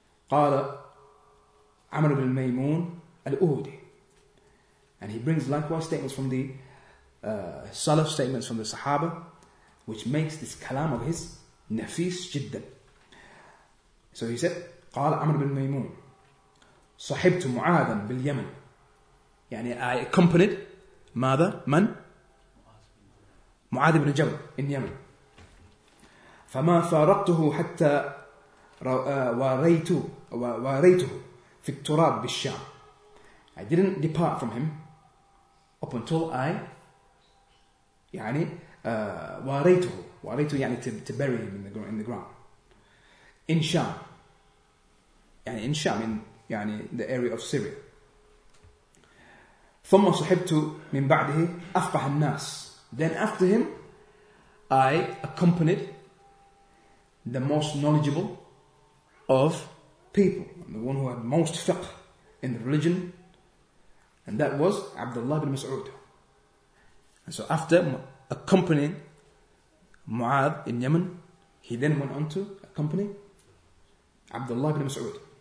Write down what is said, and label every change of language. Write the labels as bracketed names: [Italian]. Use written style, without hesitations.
[Arabic] قال عمرو بن ميمون الأودي. [English] And he brings likewise statements from the Salaf, statements from the Sahaba, which makes this kalam of his nafis [Arabic] جدا. [English] So he said, [Arabic] قال عمرو بن ميمون صحبت معاذا باليمن. يعني [English] I accompanied [Arabic] ماذا من [English] معاذ بن جبل in Yemen. [Arabic] فما فارقته حتى واريته في التراب بالشام. [English] I didn't depart from him up until I [Arabic] يعني واريته واريته يعني [English] to bury him in the ground. In Sham, [Arabic] يعني [English] in Sham, in يعني the area of Syria. [Arabic] ثم صحبته من بعده أفقه الناس. [English] Then after him, I accompanied the most knowledgeable of people, and the one who had most fiqh in the religion, and that was Abdullah bin Mas'ud. And so after accompanying Mu'adh in Yemen, he then went on to accompany Abdullah bin Mas'ud.